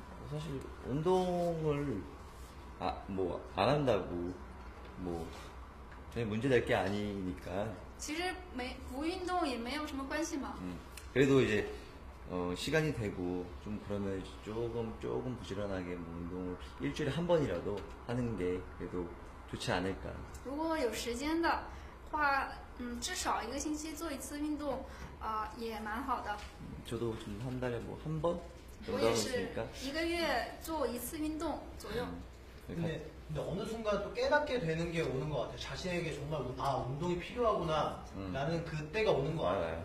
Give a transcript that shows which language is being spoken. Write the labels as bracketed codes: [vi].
[ko] 사실 운동을 뭐 안 한다고 뭐 전혀 문제될 게 아니니까 [zh] 其实没不运动也没有什么关系嘛. [ko] 그래도 이제 시간이 되고 좀 그러면 조금 부지런하게 뭐 운동을 일주일에 한 번이라도 하는 게 그래도 좋지 않을까. [zh] 如果有时间的话，嗯，至少一个星期做一次运动，啊、也蛮好的。 [ko] 저도좀한달에뭐한번 [zh] 我也是一个月做一次运动左右。 [ko] 근데어느순간또깨닫게되는게오는것같아요자신에게정말아운동이필요하구나라는그때가오는것같아요